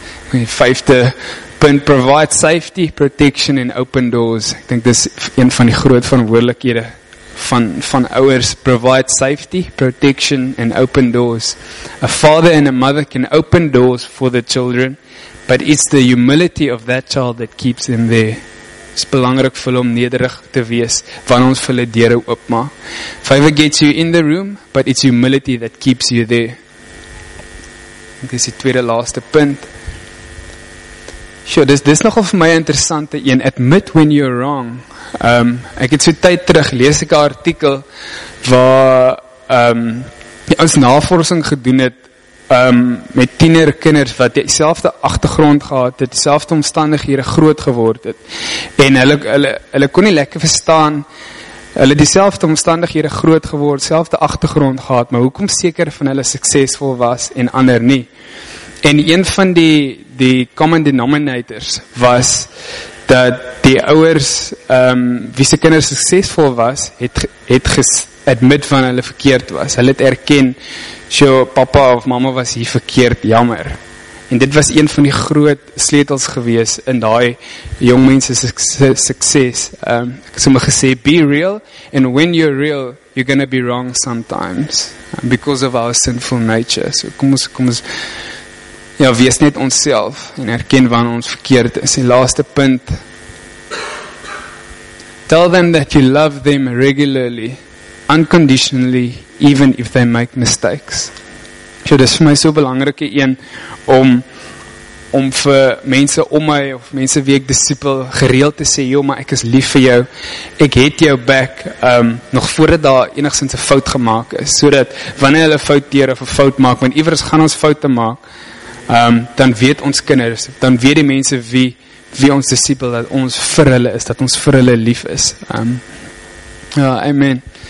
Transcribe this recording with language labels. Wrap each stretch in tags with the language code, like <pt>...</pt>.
<af>Die vijfde punt,</af> <en>provide safety, protection and open doors.</en> <af>Ek denk dis een van die groot verantwoordelikhede van ouers.</af> <en>Provide safety, protection and open doors. A father and a mother can open doors for the children, but it's the humility of that child that keeps them there.</en> <af>Is belangrik vir hulle om nederig te wees wanneer ons vir hulle deure oopmaak.</af> <en>Favor gets you in the room, but it's humility that keeps you there.</en> <af>Ek dis die tweede laaste punt. Sure, dis nogal vir my interessante een.</af> <en>Admit when you're wrong.</en> <af>Ek het so tyd terug, lees ek 'n artikel waar ons navorsing gedoen het met tienerkinders wat dieselfde agtergrond gehad het, dieselfde omstandighede groot geword het. En hulle kon nie lekker verstaan, hulle het dieselfde omstandighede groot geword, dieselfde agtergrond gehad, maar hoekom seker van hulle suksesvol was en ander nie. En een van die common denominators was dat die ouers wie se kinders suksesvol was, het admit van hulle verkeerd was. Hulle het erken, "Sjoe, papa of mama was hier verkeerd, jammer." En dit was een van die groot sleutels gewees in daai jong mense sukses. Ek het sommer gesê,</af> <en>"Be real and when you're real, you're going to be wrong sometimes because of our sinful nature."</en> <af>So kom ons ja, wees net onsself en erken wanneer ons verkeerd is. Die laaste punt.</af> <en>Tell them that you love them regularly, unconditionally, even if they make mistakes.</en> <af>So, dit is vir my so belangrike een om vir mense om my, of mense wie ek disipel, gereeld te sê, joh, maar ek is lief vir jou, ek het jou back, nog voordat daar enigszins 'n fout gemaak is, so dat wanneer hulle fout deur of 'n fout maak, want iewers gaan ons foute maak, dan weet ons kinders, dan weet die mense wie ons disipel, dat ons vir hulle is, dat ons vir hulle lief is. Ja, amen.</af>